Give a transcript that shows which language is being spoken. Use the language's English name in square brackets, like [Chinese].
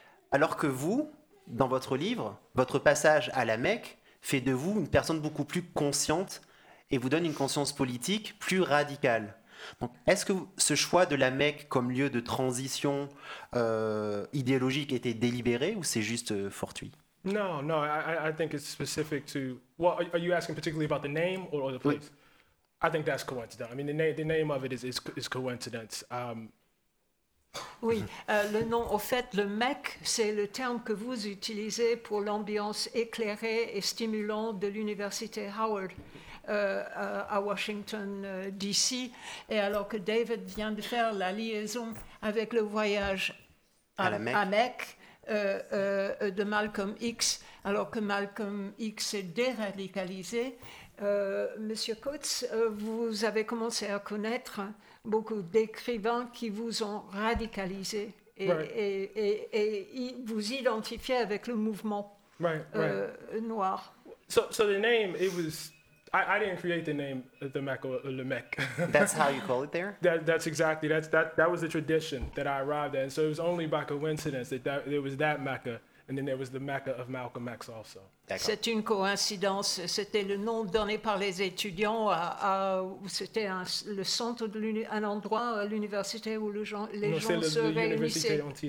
[French] Alors que vous, dans votre livre, votre passage à la Mecque fait de vous une personne beaucoup plus consciente et vous donne une conscience politique plus radicale. Donc, est-ce que ce choix de la Mecque comme lieu de transition idéologique était délibéré ou c'est juste fortuit? [English] No, I think it's specific to... Well, are you asking particularly about the name or the place? [French] Oui. [English] I think that's coincidental. I mean, the name of it is coincidence. [French] Oui, le nom, au fait, le mec, c'est le terme que vous utilisez pour l'ambiance éclairée et stimulante de l'université Howard à Washington, D.C. Et alors que David vient de faire la liaison avec le voyage à Mecque de Malcolm X, alors que Malcolm X s'est déradicalisé, Monsieur Coates, vous avez commencé à connaître beaucoup d'écrivains qui vous ont radicalisé et vous identifiez avec le mouvement noir. [English] So the name, it was, I didn't create the name the Mecque or le Mecque. That's how you call it there? That was the tradition that I arrived at. And so it was only by coincidence that there was that Mecca. And then there was the Mecca of Malcolm X also. [French] D'accord. C'est une coïncidence. C'était le nom donné par les étudiants à c'était le centre de un endroit à l'université où les gens se réunissaient.